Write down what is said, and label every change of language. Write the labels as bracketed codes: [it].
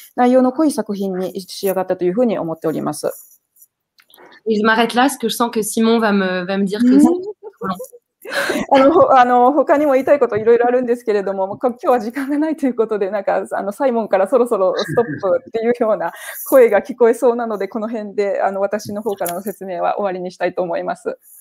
[ja] 内容の濃い作品に仕上がったというふうに思っております。 [fr] Je m'arrête là, parce que je sens que Simon va me dire que c'est... [ja] 他にも言いたいこといろいろあるんですけれども、今日は時間がないということで、なんかサイモンからそろそろストップっていうような声が聞こえそうなので、この辺で私の方からの説明は終わりにしたいと思います。